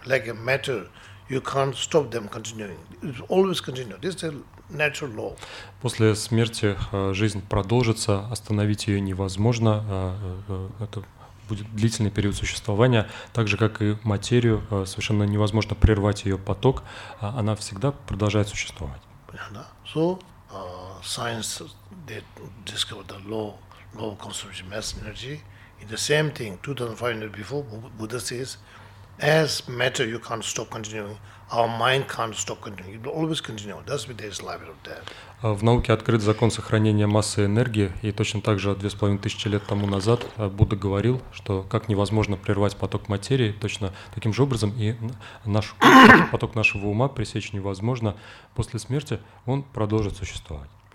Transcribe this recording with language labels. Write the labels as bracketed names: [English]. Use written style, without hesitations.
[English] Like a matter, you can't stop them continuing. It always continue. This is a natural law. [Russian] После смерти жизнь продолжится, остановить ее невозможно. Это будет длительный период существования, так же, как и материю, совершенно невозможно прервать ее поток, она всегда продолжает существовать. [English] So, science, they discovered the law of conservation of mass energy. In the same thing, 2500 years before, Buddha says, as matter, you can't stop continuing, our mind can't stop continuing, it will always continue. That's why there is life or death. [Russian] В науке открыт закон сохранения массы энергии, и точно так же 2500 лет тому назад Будда говорил, что как невозможно прервать поток материи, точно таким же образом и наш поток нашего ума пресечь невозможно, после смерти он продолжит существовать.